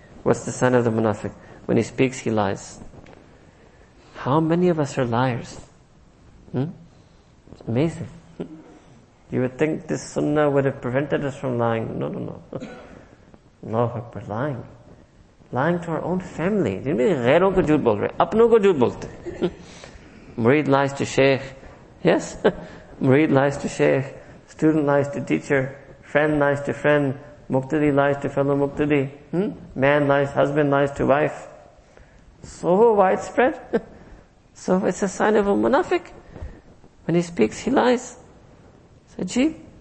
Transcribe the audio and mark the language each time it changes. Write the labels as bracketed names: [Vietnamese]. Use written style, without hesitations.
[English] What's the sign of the munafiq? When he speaks, he lies. How many of us are liars? It's amazing. You would think this sunnah would have prevented us from lying. No, no, no. Allahu Akbar, lying. Lying to our own family. Didn't mean [Urdu] غیروں کو جھوٹ بول رہے۔ اپنوں کو جھوٹ بولتے۔ [English] Murid lies to sheikh. Yes? Murid lies to sheikh. Student lies to teacher. Friend lies to friend. Muqtadi lies to fellow muqtadi. Man lies, husband lies to wife. So widespread. So it's a sign of a munafiq. When he speaks, he lies. It's ajeeb.